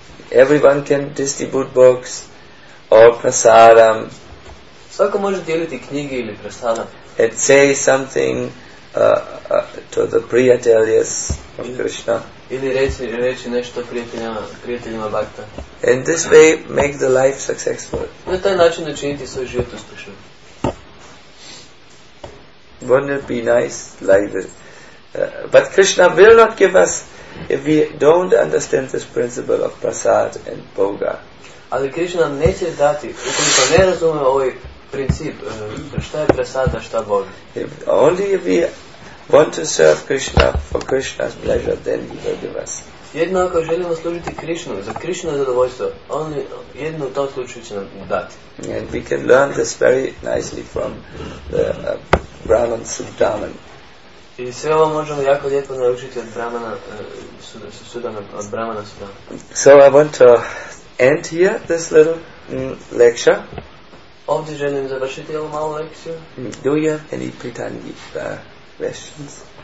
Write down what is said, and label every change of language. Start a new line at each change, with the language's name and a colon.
English: Everyone can distribute books or prasadam.
Croatian: Svako može dijeliti knjige ili prasadam.
English: And say something to the priyateljas of Krishna.
Croatian: Ili reći nešto prijateljima Bhakta.
English: And this way make the life successful.
Croatian: Na taj način učiniti svoj život uspješan.
English: Wouldn't it be nice like this? But Krishna will not give us if we don't understand this principle of prasad and boga.
Croatian: Ali Krishna nam neće dati ukoliko ne razumemo ovaj princip, šta je prasad, a šta boga.
English: Only if we want to serve Krishna for Krishna's pleasure, then he will give us.
Croatian: Jedino ako želimo služiti Krišnu, za Krišnu zadovoljstvo, only jedno u tom slučaju će nam dati.
English: And we can learn this very nicely from the Brahman Sudaman.
Croatian: I sve ovo možemo jako lijepo naučiti od Brahmana Sudamana, od Brahmana Sudamana.
English: So I want to end here this little lecture.
Croatian: Ovdje želim završiti ovu malu lekciju.
English: Do you have any pretani questions?